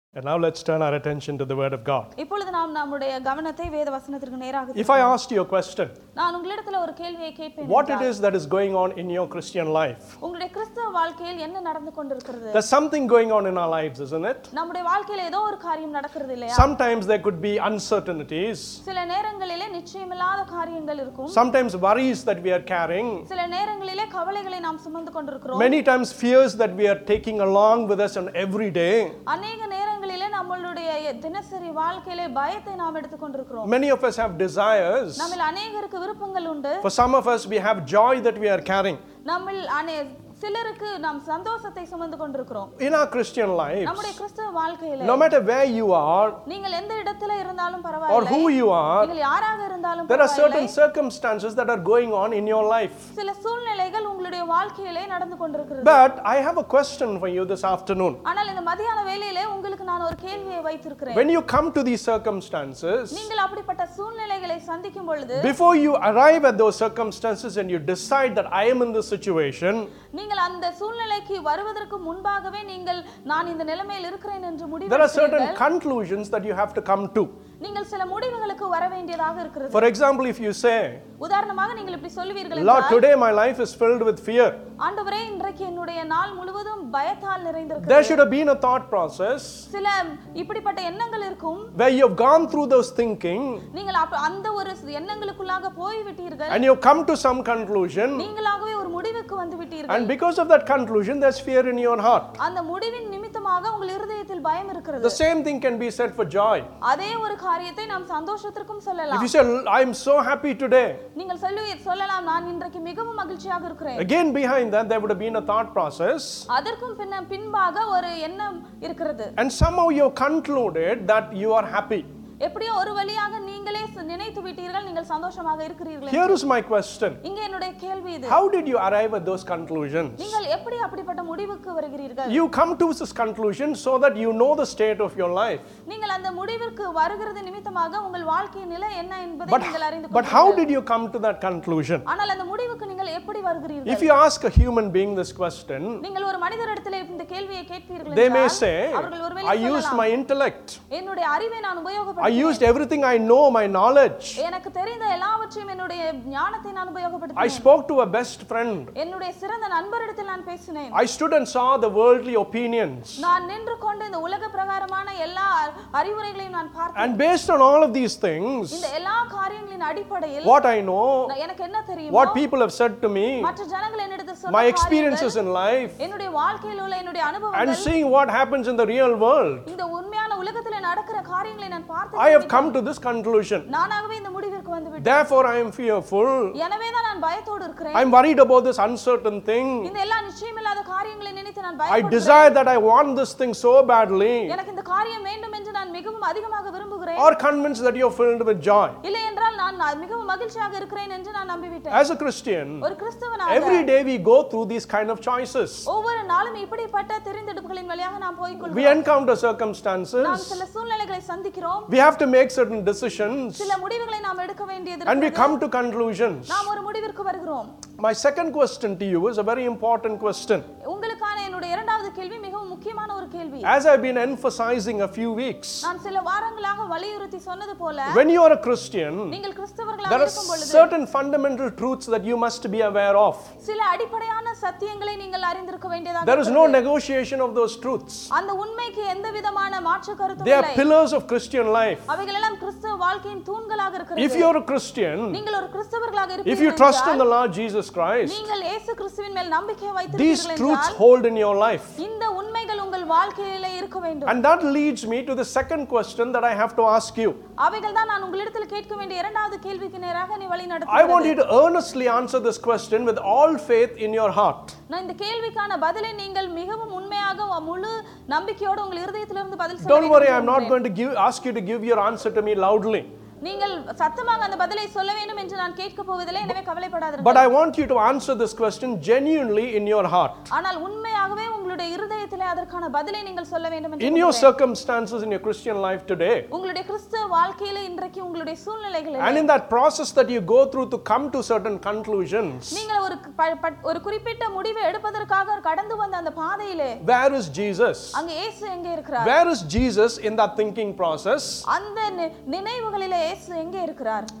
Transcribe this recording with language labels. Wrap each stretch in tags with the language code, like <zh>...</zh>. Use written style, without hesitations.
<en>Now let's turn our attention to the Word of God.</en> <ta>இப்பொழுது நாம் நம்முடைய கவனத்தை வேத வசனத்திற்கு நேராக.</ta> <en>If I asked you a question,</en> <ta>நான் உங்களிடத்தில் ஒரு கேள்வியை கேட்பேன்.</ta> <en>What it is that is going on in your Christian life?</en> <ta>உங்களுடைய கிறிஸ்தவ வாழ்க்கையில் என்ன நடந்து கொண்டிருக்கிறது?</ta> <en>There's something going on in our lives, isn't it?</en> <ta>நம்முடைய வாழ்க்கையில் ஏதோ ஒரு காரியம் நடக்கிறது இல்லையா?</ta> <en>Sometimes there could be uncertainties.</en> <ta>சில நேரங்களிலே நிச்சயமில்லாத காரியங்கள் இருக்கும்.</ta> <en>Sometimes worries that we are carrying.</en> <ta>சில நேரங்களிலே கவலைகளை நாம் சுமந்து கொண்டிருக்கிறோம்.</ta> <en>Many times fears that we are taking along with us on every day.</en> <ta>அநேக நேரங்களிலே நம்மளுடைய தினசரி வாழ்க்கையிலே பயத்தை நாம் எடுத்துக் கொண்டிருக்கிறோம்.</ta> <en>Many of us have desires.</en> <ta>நம்மில் அநேகருக்கு விருப்பங்கள் உண்டு.</ta> <en>For some of us we have joy that we are carrying.</en> <ta>நம்மில் அநேக சிலருக்கு நாம் சந்தோஷத்தை சுமந்து கொண்டிருக்கிறோம்.</ta> <en>In our Christian lives,</en> <ta>நம்முடைய கிறிஸ்தவ வாழ்க்கையில,</ta> <en>no matter where you are,</en> <ta>நீங்கள் எந்த இடத்துல இருந்தாலும் பரவாயில்லை,</ta> <en>or who you are,</en> <ta>நீங்கள் யாராக இருந்தாலும் பரவாயில்லை,</ta> <en>there are certain circumstances that are going on in your life.</en> <ta>சில சூழ்நிலைகள் உங்களுடைய வாழ்க்கையிலே நடந்து கொண்டிருக்கிறது.</ta> <en>But I have a question for you this afternoon.</en> <ta>ஆனால் இந்த மதியான வேளையிலே உங்களுக்கு நான் ஒரு கேள்வியை வைத்திருக்கிறேன்.</ta> <en>When you come to these circumstances,</en> <ta>நீங்கள் அப்படிப்பட்ட சூழ்நிலைகளை சந்திக்கும் பொழுது,</ta> <en>before you arrive at those circumstances and you decide that I am in this situation,</en> <ta>நீங்கள் அந்த சூழ்நிலைக்கு வருவதற்கு முன்பாகவே நீங்கள் நான் இந்த நிலைமையில் இருக்கிறேன் என்று முடிவு செய்வீர்கள்.</ta> <en>There are certain conclusions that you have to come to.</en> <ta>நீங்கள் சில முடிவுகளுக்கு வர வேண்டியதாக இருக்கிறது.</ta> <en>For example, if you say,</en> <ta>உதாரணமாக நீங்கள் இப்படி சொல்வீர்கள்,</ta> <en>Lord, today my life is filled with fear.</en> <ta>ஆண்டவரே, இன்றைக்கு என்னுடைய நாள் முழுவதும் பயத்தால் நிறைந்திருக்கிறது.</ta> <en>There should have been a thought process.</en> <ta>சில இப்படிப்பட்ட எண்ணங்கள் இருக்கும்.</ta> <en>Where you have gone through those thinking.</en> <ta>நீங்கள் அந்த ஒரு எண்ணங்களுக்குள்ளாக போய் விட்டீர்கள்.</ta> <en>And you come to some conclusion.</en> <ta>நீங்களாகவே ஒரு முடிவுக்கு வந்து விட்டீர்கள்.</ta> <en>And because of that conclusion, there's fear in your heart.</en> <ta>அந்த முடிவின் நிமித்தமாக உங்கள் இதயத்தில் பயம் இருக்கிறது.</ta> <en>The same thing can be said for joy.</en> <ta>அதே ஒரு காரியத்தை நாம் சந்தோஷத்திற்கும் சொல்லலாம்.</ta> <en>If you say, I'm so happy today.</en> <ta>நீங்கள் சொல்லலாம், நான் இன்றைக்கு மிகவும் மகிழ்ச்சியாக இருக்கிறேன்.</ta> <en>Again behind that there would have been a thought process.</en> <ta>அதற்கும் பின்பாக ஒரு எண்ணம் இருக்கிறது.</ta> <en>And somehow you concluded that you are happy.</en> <ta>எப்படியோ ஒரு வழியாக நீங்களே நினைத்து விட்டீர்கள், நீங்கள் சந்தோஷமாக இருக்கிறீர்கள்.</ta> <en>Here is my question.</en> <ta>இங்கே என்னுடைய கேள்வி இது.</ta> <en>How did you arrive at those conclusions?</en> <ta>நீங்கள் எப்படி அப்படிப்பட்ட முடிவுக்கு வருகிறீர்கள்?</ta> <en>You come to this conclusion so that you know the state of your life.</en> <ta>நீங்கள் அந்த முடிவுக்கு வருகிறது நிமித்தமாக உங்கள் வாழ்க்கையின் நிலை என்ன என்பதை நீங்கள் அறிந்து கொள்வீர்கள்.</ta> <en>But how did you come to that conclusion?</en> <ta>ஆனால் அந்த முடிவுக்கு நீங்கள் எப்படி வருகிறீர்கள்?</ta> <en>If you ask a human being this question,</en> <ta>நீங்கள் ஒரு மனிதரிடத்திலே இந்த கேள்வியை கேட்பீர்கள்.</ta> <en>They may say, I used my intellect.</en> <ta>என்னுடைய அறிவை நான் உபயோகப்படுத்தி</ta> <en>I used everything I know, my knowledge.</en> <ta>எனக்கு தெரிந்த எல்லாவற்றையும் என்னுடைய ஞானத்தை நான் உபயோகப்படுத்தினேன்.</ta> <en>I spoke to a best friend.</en> <ta>என்னுடைய சிறந்த நண்பரிடத்தில் நான் பேசினேன்.</ta> <en>I stood and saw the worldly opinions.</en> <ta>நான் நின்று கொண்டு இந்த உலக பிரகாரமான எல்லா அறிவுரைகளையும் நான் பார்த்தேன்.</ta> <en>And based on all of these things,</en> <ta>இந்த எல்லா காரியங்களின் அடிப்படையில்,</ta> <en>what I know,</en> <ta>எனக்கு என்ன தெரியும்,</ta> <en>what people have said to me,</en> <ta>மற்ற ஜனங்கள் என்னிடம் சொன்ன,</ta> <en>my experiences in life,</en> <ta>என்னுடைய வாழ்க்கையில் உள்ள என்னுடைய அனுபவங்கள்,</ta> <en>and seeing what happens in the real world,</en> <ta>இந்த உண்மையான உலகத்தில் நடக்கிற காரியங்களை நான் பார்த்து</ta> <en>I have come to this conclusion.</en> <ta>நானாகவே இந்த முடிவிற்கு வந்துவிட்டேன்.</ta> <en>Therefore I am fearful.</en> <ta>எனவே தான் நான் பயத்தோடு இருக்கிறேன்.</ta> <en>I am worried about this uncertain thing.</en> <ta>இந்த எல்லா நிச்சயமில்லாத காரியங்களை நினைத்து நான் பயப்படுகிறேன்.</ta> <en>I desire that I want this thing so badly.</en> <ta>எனக்கு இந்த காரியம் வேண்டும் என்று நான் மிகவும் அதிகமாக விரும்புகிறேன்.</ta> <en>Or convinced that you are filled with joy.</en> <ta>இல்லை என்றால் நான் மிகவும் மகிழ்ச்சியாக இருக்கிறேன் என்று நான் நம்பிவிட்டேன்.</ta> <en>As a Christian,</en> <ta>ஒரு கிறிஸ்தவனாக,</ta> <en>every day we go through these kind of choices.</en> <ta>ஒவ்வொரு நாளும் இப்படிப்பட்ட தேர்ந்தெடுப்புகளின் வழியாக நாம் போய் கொள்கிறோம்.</ta> <en>We encounter circumstances.</en> <ta>நாம் சில சூழ்நிலைகளை சந்திக்கிறோம்.</ta> <en>We have to make certain decisions.</en> <ta>சில முடிவுகளை நாம் எடுக்க வேண்டியது.</ta> <en>And we come to conclusions.</en> <ta>நாம் ஒரு முடிவிற்கு வருகிறோம்.</ta> <en>My second question to you is a very important question.</en> <ta>உங்களுக்கான என்னுடைய இரண்டாவது கேள்வி மிகவும் முக்கியமான ஒரு கேள்வி.</ta> <en>As I've been emphasizing a few weeks.</en> <ta>நான் சில வாரங்களாக வலியுறுத்தி சொன்னது போல,</ta> <en>when you are a Christian,</en> <ta>நீங்கள் கிறிஸ்தவர்களாக இருக்கும் பொழுது,</ta> <en>certain fundamental truths that you must be aware of.</en> <ta>சில அடிப்படையான சத்தியங்களை நீங்கள் அறிந்திருக்க வேண்டியதாக.</ta> <en>There is no negotiation of those truths.</en> <ta>அந்த உண்மைக்கு எந்தவிதமான மாற்று கருத்தும் இல்லை.</ta> <en>They are pillars of Christian life.</en> <ta>அவைகளெல்லாம் கிறிஸ்தவ வாழ்க்கையின் தூண்களாக இருக்கிறது.</ta> <en>If you are a Christian,</en> <ta>நீங்கள் ஒரு கிறிஸ்தவர்களாக இருப்பீர்கள்.</ta> <en>If you trust in the Lord Jesus Christ,</en> <ta>நீங்கள் இயேசு கிறிஸ்துவின் மேல் நம்பிக்கை வைத்திருக்கிறீர்கள்.</ta> <en>These truths hold in your life.</en> <ta>இந்த உண்மைகள் உங்கள் வாழ்க்கையிலே இருக்க வேண்டும்.</ta> <en>And that leads me to the second question that I have to ask you.</en> <ta>அவைகள்தான் நான் உங்களிடத்தில் கேட்க வேண்டிய இரண்டாவது கேள்விக்கு நேராக நீ வழிநடத்த.</ta> <en>I want you to earnestly answer this question with all faith in your heart.</en> <ta>நான் இந்த கேள்விக்கான பதிலை நீங்கள் மிகவும் உண்மையாக முழு நம்பிக்கையோடு உங்கள் இதயத்திலிருந்து பதில் சொல்ல.</ta> <en>Don't worry, I'm not going to ask you to give your answer to me loudly.</en> <ta>நீங்கள் சத்தமாக அந்த பதிலை சொல்ல வேண்டும் என்று நான் கேட்க போவதில்லை, எனவே கவலைப்படாதீர்கள்.</ta> <en>But I want you to answer this question genuinely in your heart.</en> <ta>ஆனால் உண்மையாகவே உங்களுடைய இதயத்திலே அதற்கான பதிலை நீங்கள் சொல்ல வேண்டும் என்று.</ta> <en>In your circumstances in your Christian life today,</en> <ta>உங்களுடைய கிறிஸ்தவ வாழ்க்கையில இன்றைக்கு உங்களுடைய சூழ்நிலைகள்</ta> <en>and in that process that you go through to come to certain conclusions</en> <ta>நீங்கள் ஒரு குறிப்பிட்ட முடிவை எடுப்பதற்காக கடந்து வந்த அந்த பாதையிலே</ta> <en>where is jesus</en> <ta>அங்க இயேசு எங்க இருக்கிறார்</ta> <en>where is jesus in that thinking process</en> <ta>அந்த நினைவுகளில இயேசு எங்க இருக்கிறார்</ta>